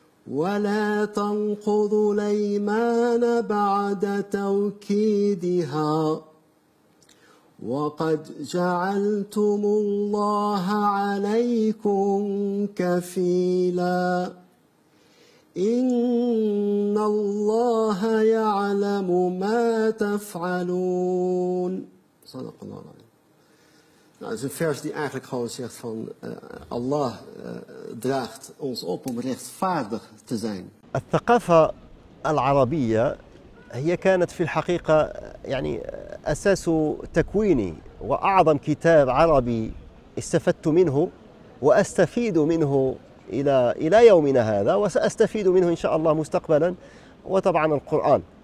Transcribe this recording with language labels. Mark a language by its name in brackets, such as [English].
[Arabic] ولا تنقضوا الأيمان بعد توكيدها وقد جعلتم الله عليكم كفيلا إن الله يعلم ما تفعلون. صدق الله العظيم. [Dutch] Nou, het is een vers die eigenlijk gewoon zegt van Allah draagt ons op om rechtvaardig te zijn. [Arabic] الثقافة العربية هي كانت في الحقيقة يعني أساس تكويني وأعظم كتاب عربي استفدت منه وأستفيد منه إلى يومنا هذا وسأستفيد منه إن شاء الله مستقبلا وطبعا القرآن.